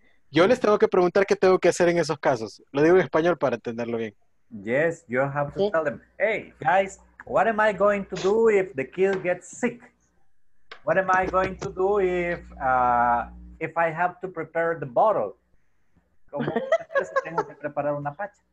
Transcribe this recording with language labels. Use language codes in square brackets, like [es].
[es] Yo les tengo que preguntar qué tengo que hacer en esos casos. Lo digo en español para entenderlo bien. [en] Yes, you have to tell them, hey, guys, what am I going to do if the kid gets sick? What am I going to do if I have to prepare the bottle? [es] ¿Cómo es que tengo que preparar una pacha?